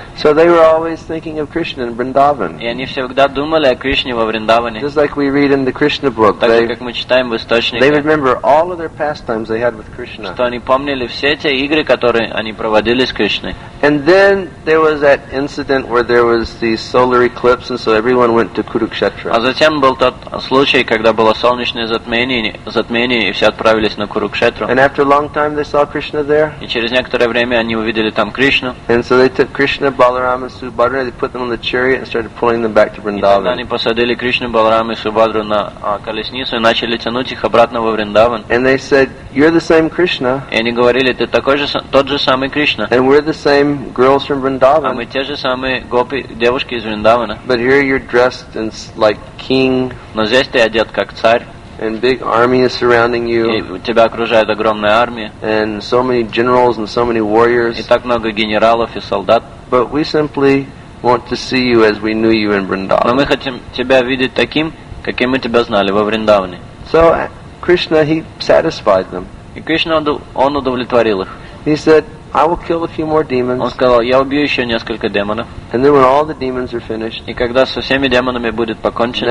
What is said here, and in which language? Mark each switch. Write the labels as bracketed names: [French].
[English] So they were always thinking of Krishna in Vrindavan. [Russian] И они всегда думали о Кришне во Вриндаване. [English] Just like we read in the Krishna book, [Russian] так же, как мы читаем в источнике. [English] They remember all of their pastimes they had with Krishna. [Russian] Что они помнили все те игры, которые они проводили с Кришной. [English] And then there was that incident where there was the solar eclipse, and so everyone went to Kurukshetra. [Russian] А затем был тот случай, когда было солнечное затмение, и все отправились на Курукшетру. [English] And after a long time, they saw Krishna there. [Russian] И через некоторое время они увидели там Кришну. [English] And so they took Krishna, Balarama, and Subhadra. They put them on the chariot and started pulling them back to Vrindavan. [Russian] И тогда они посадили Кришну, Баларама и Субхадру на колесницу и начали тянуть их обратно во Вриндаван. [English] And they said, "You're the same Krishna." [Russian] И они говорили, ты такой же, тот же самый Кришна. [English] And we're the same girls from Vrindavan. [Russian] А мы те же самые гопи, девушки из Вриндавана. [English] But here you're dressed in like king. [Russian] Но здесь ты одет как царь. [English] And big army is surrounding you. [Russian] И тебя окружает огромная армия. [English] And so many generals and so many warriors. [Russian] И так много генералов и солдат. [English] But we simply want to see you as we knew you in Vrindavan. [Russian] Но мы хотим тебя видеть таким, каким мы тебя знали во Вриндаване. [English] So Krishna, he satisfied them. [Russian] И Кришна, он удовлетворил их. [English] He said, "I will kill a few more demons." [Russian] Он сказал, я убью еще несколько демонов. [English] And then when all the demons are finished, [Russian] и когда со всеми демонами будет покончено,